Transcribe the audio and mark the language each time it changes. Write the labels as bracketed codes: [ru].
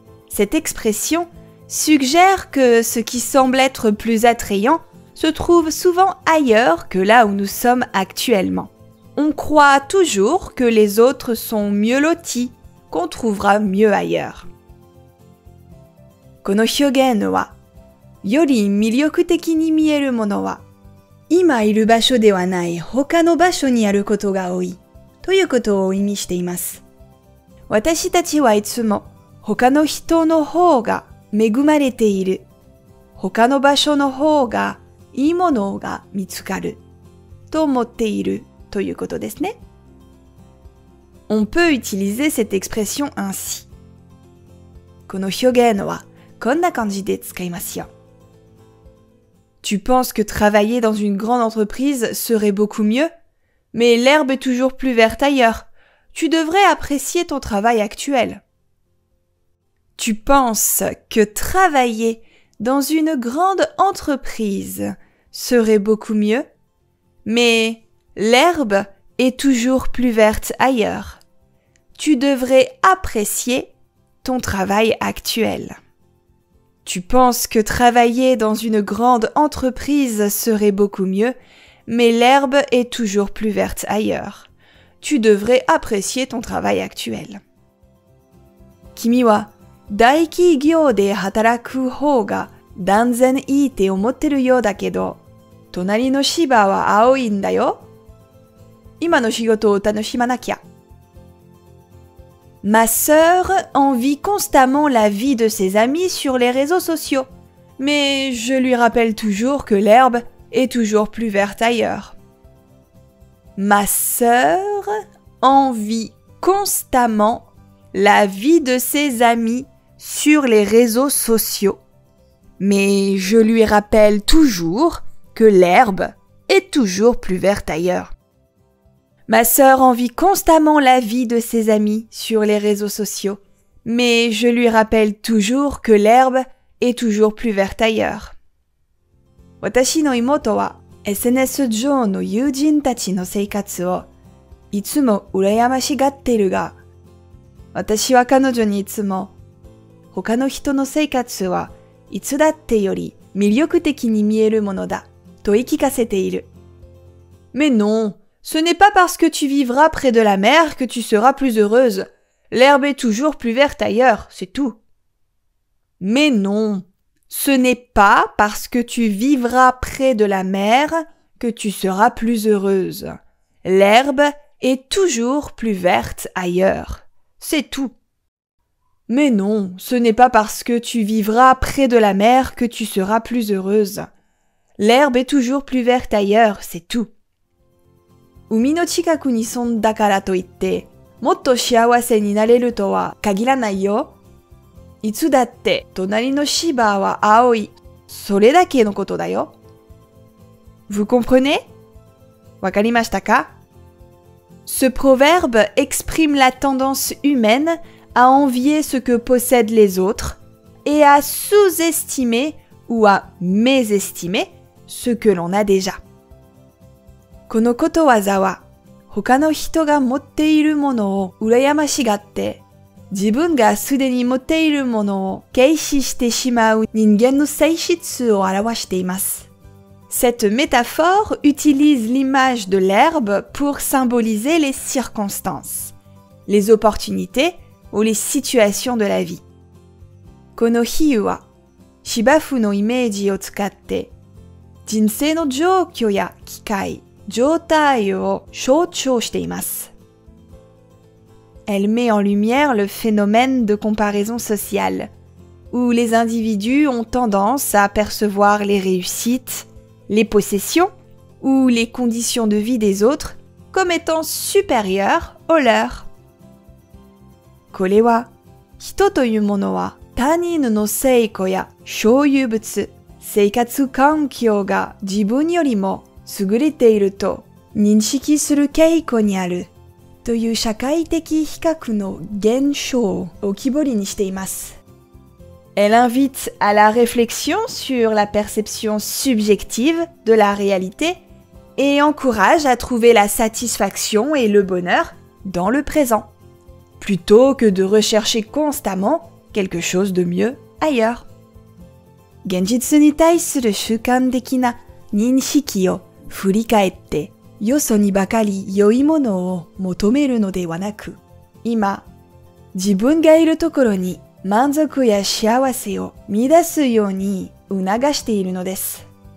[fr] Cette expression suggère que ce qui semble être plus attrayant se trouve souvent ailleurs que là où nous sommes actuellement. On croit toujours que les autres sont mieux lotis, qu'on trouvera mieux ailleurs. [ja] この表現は、より魅力的に見えるものは、今いる場所ではない他の場所にあることが多いということを意味しています。私たちはいつも他の人の方が恵まれている。他の場所の方がいいものが見つかると思っているということですね。 [fr] On peut utiliser cette expression ainsi. [ja] この表現はこんな感じで使いますよ。 [fr] Tu penses que travailler dans une grande entreprise serait beaucoup mieux? Mais l'herbe est toujours plus verte ailleurs. Tu devrais apprécier ton travail actuel. Tu penses que travailler dans une grande entreprise serait beaucoup mieux? Mais l'herbe est toujours plus verte ailleurs. Tu devrais apprécier ton travail actuel. Tu penses que travailler dans une grande entreprise serait beaucoup mieux, mais l'herbe est toujours plus verte ailleurs. Tu devrais apprécier ton travail actuel. [ja] 君は大企業で働く方が断然いいって思ってるようだけど、隣の芝は青いんだよ。今の仕事を楽しまなきゃ。 [fr] Ma sœur envie constamment la vie de ses amis sur les réseaux sociaux. Mais je lui rappelle toujours que l'herbe est toujours plus verte ailleurs. Ma sœur envie constamment la vie de ses amis sur les réseaux sociaux. Mais je lui rappelle toujours que l'herbe est toujours plus verte ailleurs. Ma sœur envie constamment la vie de ses amis sur les réseaux sociaux. Mais je lui rappelle toujours que l'herbe est toujours plus verte ailleurs. [ja] 私の妹は SNS 上の友人たちの生活をいつも羨ましがってるが、私は彼女にいつも他の人の生活はいつだってより魅力的に見えるものだと言い聞かせている。 [fr] Mais non! Ce n'est pas parce que tu vivras près de la mer que tu seras plus heureuse. L'herbe est toujours plus verte ailleurs, c'est tout. Mais non, ce n'est pas parce que tu vivras près de la mer que tu seras plus heureuse. L'herbe est toujours plus verte ailleurs, c'est tout. Mais non, ce n'est pas parce que tu vivras près de la mer que tu seras plus heureuse. L'herbe est toujours plus verte ailleurs, c'est tout. [ja] 海の近くに住んだからといって、もっと幸せになれるとは限らないよ。いつだって隣の芝は青い。それだけのことだよ。 [fr] Vous comprenez? [ja] わかりましたか? [fr] Ce proverbe exprime la tendance humaine à envier ce que possèdent les autres et à sous-estimer ou à mésestimer ce que l'on a déjà. [ja] このことわざは、他の人が持っているものを羨ましがって、自分がすでに持っているものを軽視してしまう人間の性質を表しています。 [fr] Cette métaphore utilise l'image de l'herbe pour symboliser les circonstances, les opportunités ou les situations de la vie. [ja] この比喩は、芝生のイメージを使って、人生の状況や機会、状態を象徴しています。 [fr] Elle met en lumière le phénomène de comparaison sociale, où les individus ont tendance à percevoir les réussites, les possessions ou les conditions de vie des autres comme étant supérieures aux leurs. [ja] これは、人というものは他人の成功や所有物、生活環境が自分よりも優れていると認識する傾向にあるという社会的比較の現象を浮き彫りにしています。 [fr] Elle invite à la réflexion sur la perception subjective de la réalité et encourage à trouver la satisfaction et le bonheur dans le présent, plutôt que de rechercher constamment quelque chose de mieux ailleurs. [ja] 現実に対する主観的な認識を振り返って、よそにばかり良いものを求めるのではなく、今、自分がいるところに満足や幸せを見出すように促しているのです。